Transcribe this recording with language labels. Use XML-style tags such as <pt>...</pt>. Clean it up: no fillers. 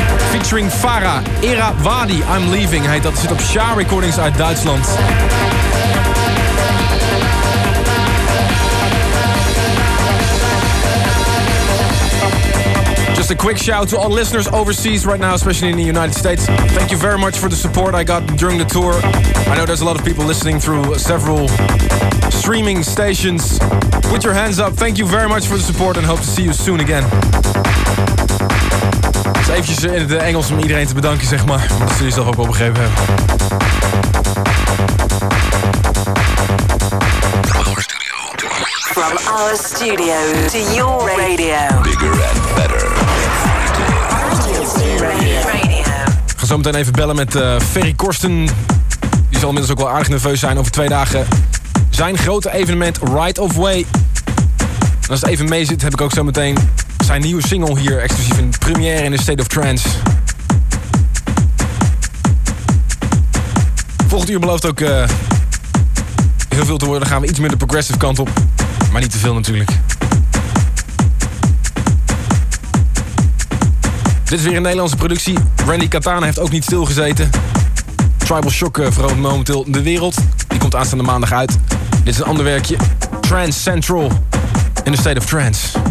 <en>Featuring Farah, Era Wadi, I'm Leaving.</en> <nl>Hij dat zit op Sha Recordings uit Duitsland.</nl> <en>Just a quick shout to all listeners overseas right now, especially in the United States. Thank you very much for the support I got during the tour. I know there's a lot of people listening through several streaming stations. Put your hands up. Thank you very much for the support and hope to see you soon again.</en> <nl>Dus eventjes in het Engels om iedereen te bedanken, zeg maar. Dat zul je zelf ook wel begrepen hebben.</nl> <en>From our studio to your radio. Bigger and better.</en> <nl>Ik ga zo meteen even bellen met Ferry Korsten. Die zal inmiddels ook wel aardig nerveus zijn over 2 dagen. Zijn grote evenement Right of Way. En als het even mee zit, heb ik ook zo meteen zijn nieuwe single hier. Exclusief in première in de State of Trance. Volgend uur belooft ook heel veel te worden. Dan gaan we iets meer de progressive kant op. Maar niet te veel natuurlijk. Dit is weer een Nederlandse productie. Randy Katana heeft ook niet stilgezeten. Tribal Shock verandert momenteel de wereld. Die komt aanstaande maandag uit. Dit is een ander werkje.</nl> <en>Trance Central in the State of Trance.</en>